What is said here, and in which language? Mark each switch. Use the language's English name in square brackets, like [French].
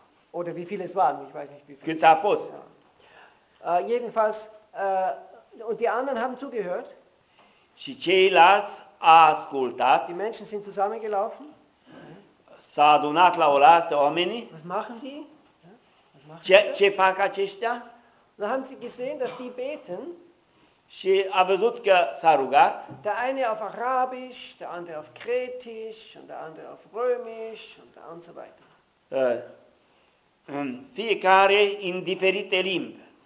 [German] Oder wie viele es waren, ich weiß nicht wie viele. [Romanian] Câți a fost? [German] Jedenfalls, und die anderen haben zugehört. [Romanian] Și ceilalți a ascultat. [German] Die Menschen sind zusammengelaufen. [Romanian] S-a adunat la orată oamenii. [German] Was machen die? [Romanian] Ce fac aceștia? [German] Da, haben sie gesehen, dass die beten. [Romanian] Și a văzut că s-a rugat. [German] Der eine auf Arabisch, der andere auf Kretisch, und der andere auf Römisch, und so weiter. [Romanian] Fiecare în diferite limbi.